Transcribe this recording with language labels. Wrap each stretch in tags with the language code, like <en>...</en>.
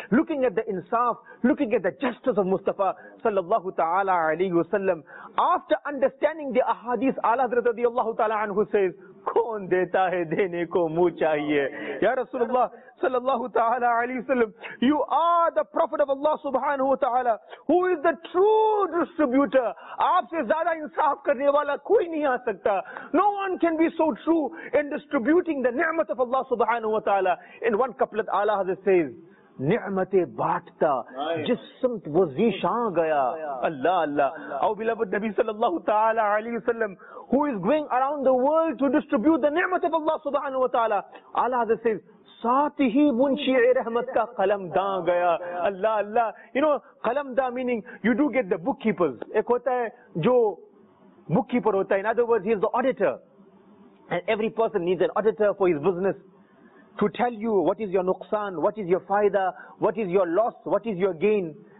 <en>Looking at the insaf, looking at the justice of Mustafa sallallahu ta'ala alayhi wa sallam. After understanding the ahadith, Ala Hazrat radiyallahu ta'ala anhu says,</en> <ur>کون دیتا ہے دینے کو منہ چاہیے.</ur> <en>یا رسول اللہ صلی اللہ تعالی علیہ وسلم, you are the prophet of Allah subhanahu wa ta'ala who is the true distributor.</en> <ur>آپ سے زیادہ انصاف کرنے والا کوئی نہیں آ سکتا.</ur> <en>No one can be so true in distributing the ni'mat of Allah subhanahu wa ta'ala. In one couplet, Allah has says,</en> <ur>نعمت بانٹتا جس سمت وہ زیشان گیا. اللہ اللہ.</ur> <en>Our beloved Nabi صلی اللہ تعالی علیہ وسلم who is going around the world to distribute the niamat of Allah subhanahu wa ta'ala, Allah has said,</en> <ur>ساتھ ہی منشی رحمت کا قلم دان گیا. اللہ اللہ.</ur> <en>You know, qalamdan meaning you do get the bookkeepers.</en> <ur>ایک ہوتا ہے جو bookkeeper ہوتا ہے,</ur> <en>in other words he is the auditor, and every person needs an auditor for his business to tell you what is your nuqsan, what is your faida, what is your loss, what is your gain.</en>